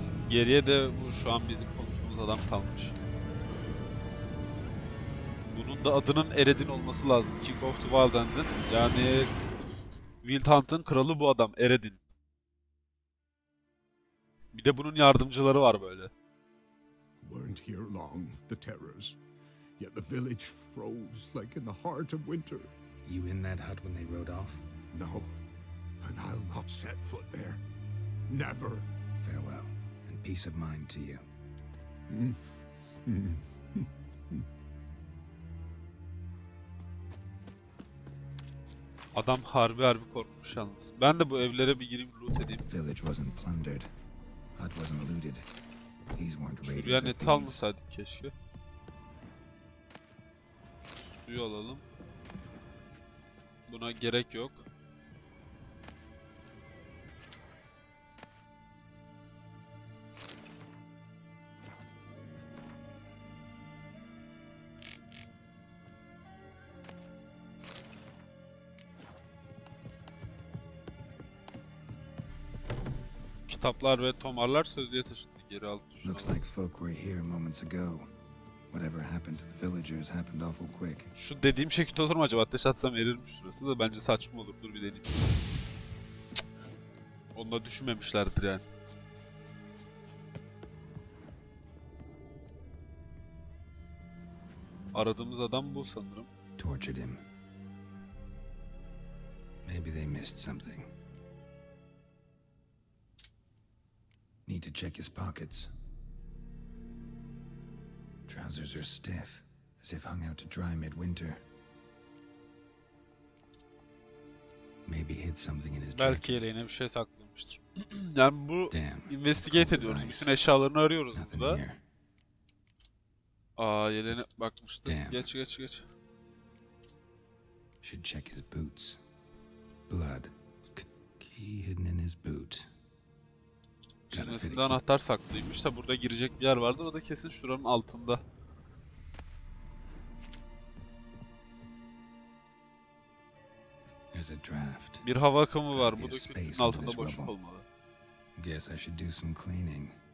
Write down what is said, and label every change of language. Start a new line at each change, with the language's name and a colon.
Turkish: Geriye de bu şu an bizim konuştuğumuz adam kalmış. Bunun da adının Eredin olması lazım. King of the Wild End'in. Yani Wild Hunt'ın kralı bu adam, Eredin. Bir de bunun yardımcıları var böyle.
English: Weren't here long, the terrors. Yet the village froze like in the heart of winter. You in that hut when they rode off? No. And I'll not set foot there. Never. Farewell and peace of mind to you.
Turkish: Adam harbi harbi korkmuş yalnız. Ben de bu evlere bir gireyim, loot edeyim.
English: Village wasn't plundered. Hut wasn't looted. These weren't raiders.
Turkish: Şuraya net almasaydık keşke. Suyu alalım. Buna gerek yok. kitaplar ve tomarlar sözlüğe taşındı, geri aldı.
English: Looks like folk were here moments ago. Whatever happened to the villagers happened awful quick.
Turkish: Şu dediğim şekilde olur mu acaba? Ateş atsam erir mi şurası da? Bence saçma olur. Dur bir deneyim. Onu da düşünmemişlerdir yani. Aradığımız adam bu sanırım.
English: Tortured him. Maybe they missed something. Need to check his pockets. Trousers are stiff, as if hung out to dry midwinter. Maybe hid something in his jacket.
Turkish: Belki yeleğine bir şey saklamıştır. Yani bu investigate ediyoruz. Bütün eşyalarını arıyoruz burada. Aa, yeleğine bakmıştı. Geç.
English: Should check his boots. Blood. Key hidden in his boot.
Turkish: Çizmesinde anahtar saklıymış da burada girecek bir yer vardı. O da kesin şuranın altında.
English: There's a draft.
Turkish: Bir hava akımı var. Bu döküntünün altında boşluk olmalı.
English: Guess I should do some cleaning.